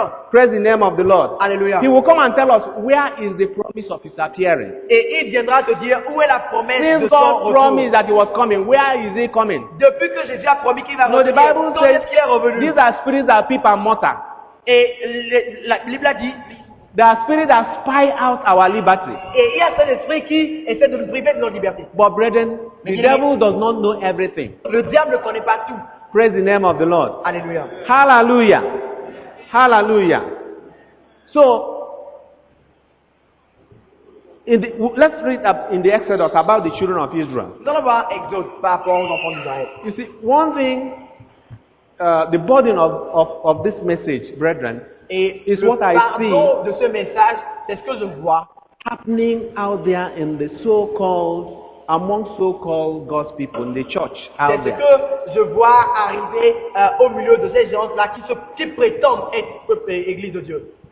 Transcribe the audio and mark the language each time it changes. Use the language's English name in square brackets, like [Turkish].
[English] Praise the name of the Lord. He will come and tell us, where is the promise of his appearing? Since God promised that he was coming, where is he coming? No, the Bible says, these are spirits that peep and mutter. [French] Et la Bible a dit, [English] there are spirits that spy out our liberty. [French] Et il y a cet esprit qui essaie de nous priver de notre liberté. [English] But brethren, the devil does not know everything. [French] Le diable ne connaît pas tout. [English] Praise the name of the Lord. [French] Alléluia. [English] Hallelujah. Hallelujah. So, let's read up in the Exodus about the children of Israel. [French] Nous allons voir Exode par rapport aux enfants d'Israël. [English] You see, one thing, the burden of this message, brethren, [French] et [English] is what I see [French] de ce message, c'est ce que je vois [English] happening out there in the so-called, among so-called God's people in the church out [French] c'est ce [English] there. [French] Que je vois arriver au milieu de ces gens là qui prétendent être église de Dieu.